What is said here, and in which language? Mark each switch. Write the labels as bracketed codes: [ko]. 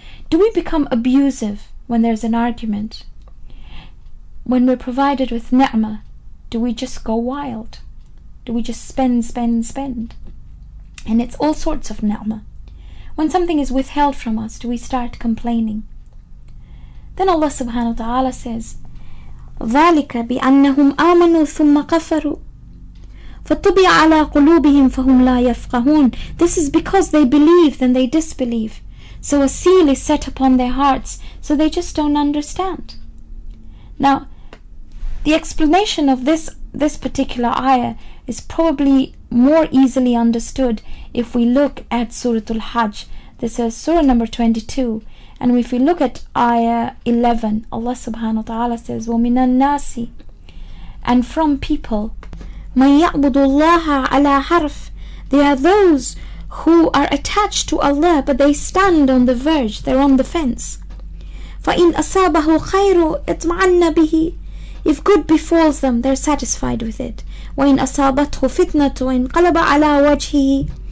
[en] Do we become abusive when there's an argument? When we're provided with ni'mah, do we just go wild? Do we just spend, spend, spend? And it's all sorts of ni'mah. When something is withheld from us, do we start complaining? Then Allah subhanahu wa ta'ala says, [ar] ذَلِكَ بِأَنَّهُمْ آمَنُوا ثُمَّ كَفَرُوا فَطُبِعَ عَلَىٰ قُلُوبِهِمْ فَهُمْ لَا يَفْقَهُونَ. [en] This is because they believe, then they disbelieve. So a seal is set upon their hearts, so they just don't understand. Now, the explanation of this particular ayah is probably more easily understood if we look at Surah Al-Hajj. This is Surah number 22. And if we look at Ayah 11, Allah subhanahu wa ta'ala says, [ar] وَمِنَ النَّاسِ. [en] And from people, [ar] مَنْ يَعْبُدُ اللَّهَ عَلَىٰ حَرْفٍ. [en] They are those who are attached to Allah, but they stand on the verge, they're on the fence. [ar] فَإِنْ أَصَابَهُ خَيْرُ اطْمَعَنَّ بِهِ. [en] If good befalls them, they're satisfied with it. [ar] وَإِنْ أَصَابَتْهُ فِتْنَةُ وَانْقَلَبَ عَلَىٰ وَجْهِهِ.